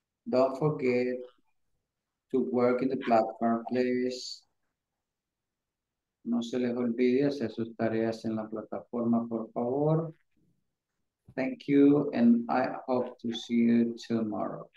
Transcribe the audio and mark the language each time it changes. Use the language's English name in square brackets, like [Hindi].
[English] Don't forget to work in the platform, please. [Spanish] No se les olvide hacer sus tareas en la plataforma, por favor. [English] Thank you, and I hope to see you tomorrow.